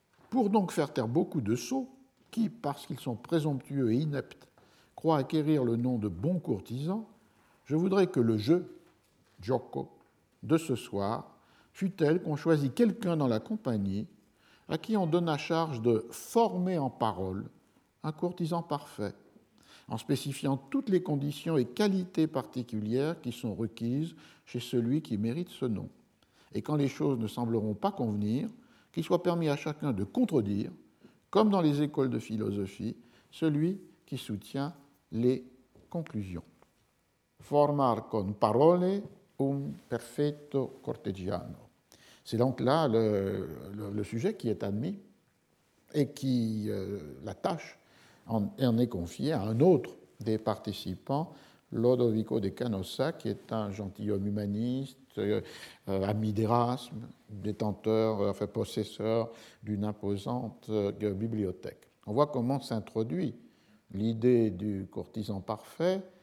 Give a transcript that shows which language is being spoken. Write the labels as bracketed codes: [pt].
[fr] Pour donc faire taire beaucoup de sots qui, parce qu'ils sont présomptueux et ineptes, croient acquérir le nom de bons courtisans, je voudrais que le jeu, gioco, de ce soir, fût tel qu'on choisit quelqu'un dans la compagnie à qui on donne à charge de former en parole un courtisan parfait, en spécifiant toutes les conditions et qualités particulières qui sont requises chez celui qui mérite ce nom. Et quand les choses ne sembleront pas convenir, qu'il soit permis à chacun de contredire, comme dans les écoles de philosophie, celui qui soutient les conclusions. [it] Formar con parole un perfetto cortegiano. [fr] C'est donc là le sujet qui est admis et qui la tâche en est confiée à un autre des participants, Lodovico de Canossa, qui est un gentilhomme humaniste, ami d'Erasme, possesseur d'une imposante bibliothèque. On voit comment s'introduit l'idée du courtisan parfait